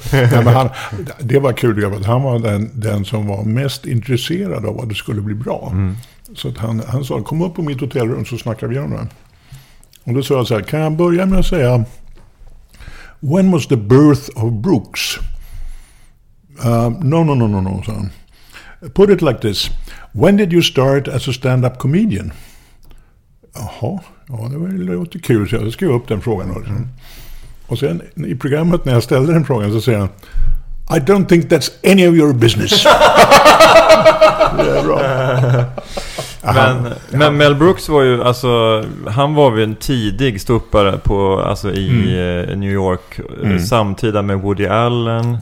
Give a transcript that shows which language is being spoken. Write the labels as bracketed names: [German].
[Swedish] Ja, men det var kul, att han var den som var mest intresserad av att det skulle bli bra. Mm. Så att han sa, kom upp på mitt hotellrum så snackar vi om det. Och då sa jag så här, kan jag börja med att säga, [English] when was the birth of Brooks? [Swedish] No, sa han. [English] Put it like this, when did you start as a stand-up comedian? [Swedish] Jaha, ja, det var lite kul, så jag skrev upp den frågan. Och sen i programmet när jag ställde den frågan så säger han, [English] I don't think that's any of your business. [Swedish] Det är bra. Men Mel Brooks var ju, alltså, han var ju en tidig stoppare på, alltså, i New York samtida med Woody Allen.